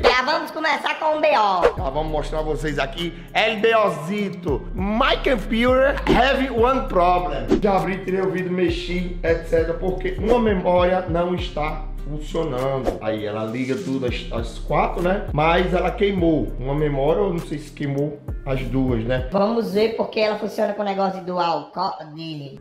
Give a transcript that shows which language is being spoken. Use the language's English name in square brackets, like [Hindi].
[Portuguese] Já vamos começar com um B.O. Já vamos mostrar pra vocês aqui. LBOzito. [English] My computer have one problem. [Portuguese] Já abri, tirei o vídeo, mexi, etc. Porque uma memória não está funcionando. Aí ela liga tudo às quatro, né? Mas ela queimou uma memória, eu não sei se queimou as duas, né? Vamos ver porque ela funciona com o negócio de dual dele.